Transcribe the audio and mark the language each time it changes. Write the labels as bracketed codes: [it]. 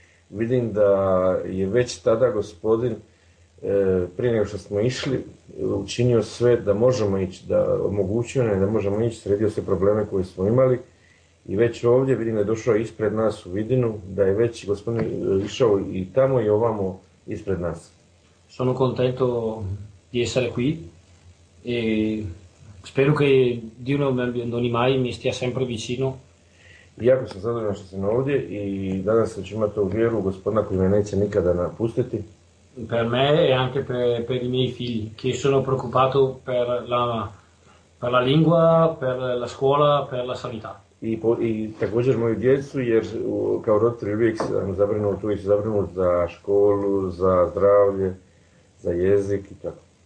[hr] Vidim da je već tada gospodin, prije nego što smo išli, učinio sve da možemo ići, da omogućio nam da možemo ići, sredio se probleme koje smo imali i već ovdje vidim da je došao ispred nas u Vidinu, da je već gospodin išao i tamo i ovamo ispred nas. [it] Sono contento di essere qui e spero che Dio non mi abbandoni mai, mi stia sempre vicino. [hr] Jako sam zadovoljan što sam ovdje i nadam se da ću imati vjeru gospodina koji me neće nikada napustiti. [it] Per me e anche per i miei figli, che sono preoccupato per la lingua, per la scuola, per la sanità. [hr] I također moju djecu, jer kao roditelj uvijek sam zabrinut za školu, za zdravlje, za jezik i tako.